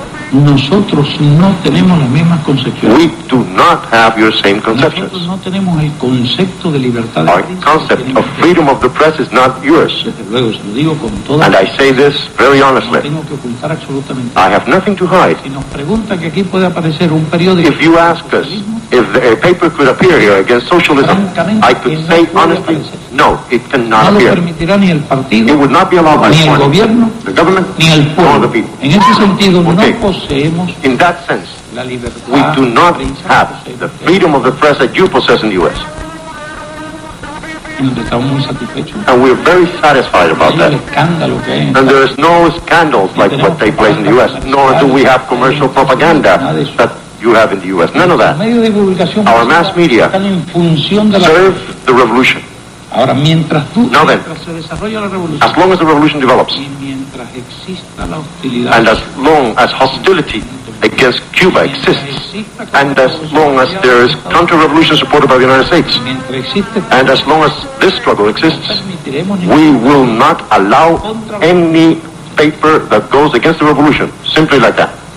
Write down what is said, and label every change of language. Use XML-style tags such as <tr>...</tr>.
<es>Nosotros no tenemos las mismas concepciones.</es> <en>We do not have your same conceptions.</en> <es>Nosotros no tenemos el concepto de libertad.</es> <en>Our concept of freedom of the press is not yours.</en> <es>Luego, se lo digo con toda.</es> <en>And I say this very honestly.</en> <es>No tengo que ocultar absolutamente.</es> <en>I have nothing to hide.</en> <es>Si nos pregunta que aquí puede aparecer un periódico.</es> <en>If you ask us if a paper could appear here against socialism, I could say honestly, no, it cannot</en> <es>no</es> <en>appear.</en> <es>No lo permitirá ni el partido.</es> <en>It would not be allowed by</en> <es>ni el gobierno.</es> <en>The government.</en> <es>Ni el pueblo.</es> <en>Nor the people.</en> <es>En ese sentido,</es> <en>okay.</en> <es>No.</es> <en>In that sense, we do not have the freedom of the press that you possess in the U.S. And we are very satisfied about that. And there is no scandals like what they place in the U.S., nor do we have commercial propaganda that you have in the U.S. None of that. Our mass media serve the revolution.</en> <es>Ahora, mientras tú,</es> <en>now</en> <es>mientras</es> <en>then,</en> <es>se desarrolla la revolución,</es> <en>as long as the revolution develops,</en> <es>y mientras exista la hostilidad,</es> <en>and as long as hostility against Cuba exists, and as long as there is counter-revolution supported by the United States, and as long as this struggle exists, we will not allow any paper that goes against the revolution, simply like that.</en>